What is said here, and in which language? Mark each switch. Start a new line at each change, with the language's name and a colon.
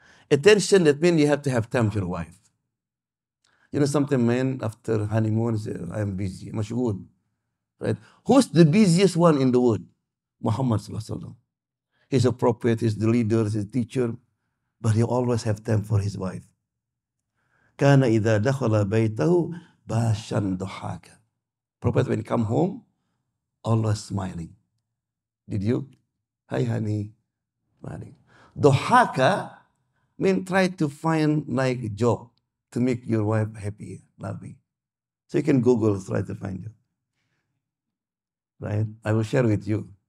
English: Attention, that means you have to have time with your wife. You know something, man, after honeymoon, say, I am busy. Mashgul. Right? Who's the busiest one in the world? Muhammad sallallahu alaihi wasallam. He's a prophet, he's the leader, he's a teacher, but he always have time for his wife.
Arabic: كان إذا دخل بيته باشا ضحاكا.
English: Prophet, when he come home, always smiling. Did you? Hi, honey. Smiling. Dohaka mean try to find like a job to make your wife happy, loving. So you can Google, try to find it. Right? I will share with you.